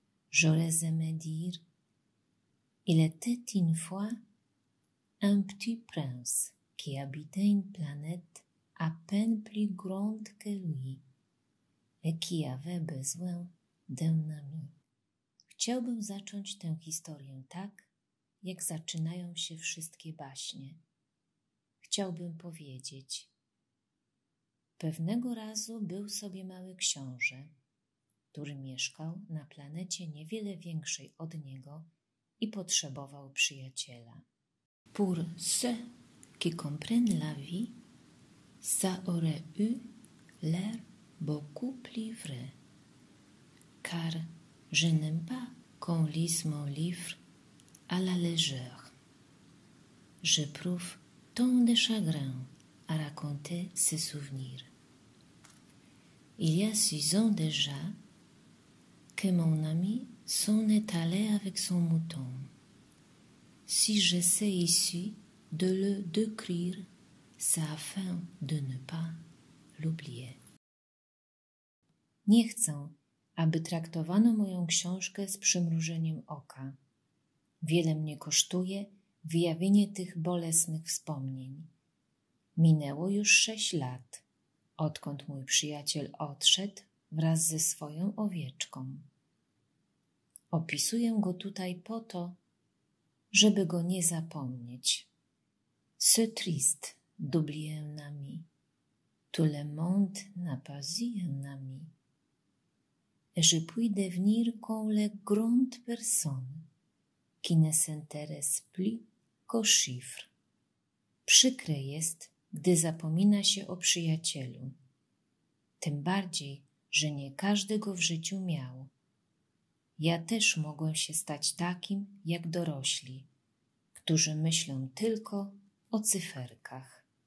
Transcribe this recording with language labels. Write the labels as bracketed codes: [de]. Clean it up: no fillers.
[fr] J'aurais aimé dire « Il était une fois un petit prince qui habitait une planète à peine plus grande que lui et qui avait besoin d'un ami. » [pl] Chciałbym zacząć tę historię tak, jak zaczynają się wszystkie baśnie. Chciałbym powiedzieć. Pewnego razu był sobie mały książę, który mieszkał na planecie niewiele większej od niego i potrzebował przyjaciela. [fr] Pour ceux qui comprennent la vie, ça aurait eu l'air beaucoup plus vrai. Car je n'aime pas qu'on lise mon livre à la légère. J'éprouve tant de chagrin à raconter ses souvenirs. Il y a 6 ans déjà que mon ami s'en est allé avec son mouton. Si j'essaie ici de le décrire, c'est afin de ne pas l'oublier. [pl] Nie chcę, aby traktowano moją książkę z przymrużeniem oka. Wiele mnie kosztuje wyjawienie tych bolesnych wspomnień. Minęło już 6 lat, odkąd mój przyjaciel odszedł wraz ze swoją owieczką. Opisuję go tutaj po to, żeby go nie zapomnieć. [fr] C'est triste d'oublier un ami. Tout le monde n'a pas eu un ami. Je puis devenir comme les grandes personnes qui ne s'intéressent plus qu'aux chiffres. [pl] Przykre jest, gdy zapomina się o przyjacielu. Tym bardziej, że nie każdy go w życiu miał. Ja też mogłem się stać takim jak dorośli, którzy myślą tylko o cyferkach.